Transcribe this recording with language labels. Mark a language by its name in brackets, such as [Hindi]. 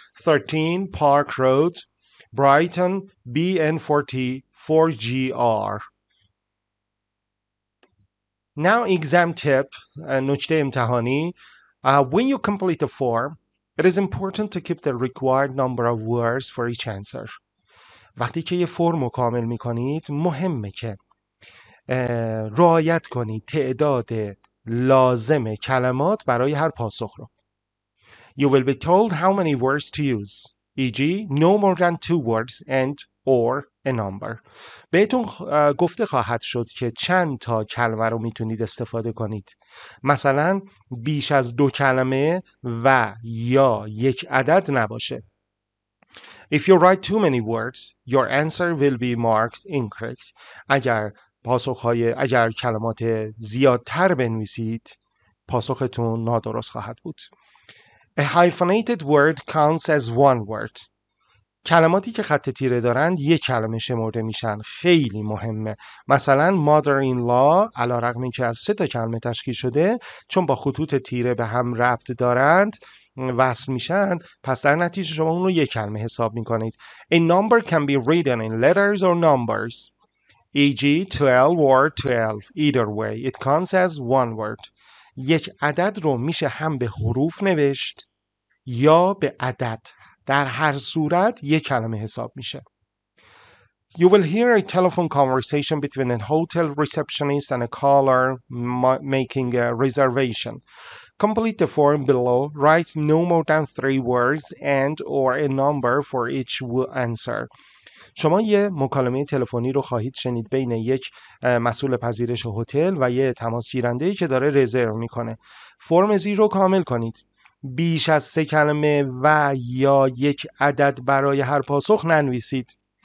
[English] 13 Park Road, Brighton, BN40-4GR. Now, exam tip, [Persian] نکته امتحانی. [English] When you complete the form, it is important to keep the required number of words for each answer. [Persian] وقتی که یه فرم رو کامل میکنید، مهمه که رعایت کنید تعداد لازم کلمات برای هر پاسخ رو. [English] You will be told how many words to use, e.g. no more than two words and or a number. [Persian] بهتون گفته خواهد شد که چند تا کلمه رو میتونید استفاده کنید. مثلا بیش از دو کلمه و یا یک عدد نباشه. [English] If you write too many words, your answer will be marked incorrect. [Persian] اگر کلمات زیادتر بنویسید، پاسختون نادرست خواهد بود. [English] A hyphenated word counts as one word. [Persian] کلماتی که خط تیره دارند یک کلمه شمرده میشن. خیلی مهمه. مثلا mother-in-law علارغم این که از سه تا کلمه تشکیل شده چون با خطوط تیره به هم ربط دارند وصل میشن، پس در نتیجه شما اون رو یک کلمه حساب میکنید. [English] A number can be written in letters or numbers. E.g. 12 or 12. Either way, it counts as one word. [Persian] یک عدد رو میشه هم به حروف نوشت یا به عدد، در هر صورت یک کلمه حساب میشه. [English] You will hear a telephone conversation between a hotel receptionist and a caller making a reservation. Complete the form below. Write no more than three words and or a number for each answer. [Persian] شما یه مکالمه تلفنی رو خواهید شنید بین یک مسئول پذیرش هتل و یه تماس گیرنده‌ای که داره رزرو میکنه. فرم زیر رو کامل کنید. بیش از سه کلمه و یا یک عدد برای هر پاسخ ننویسید.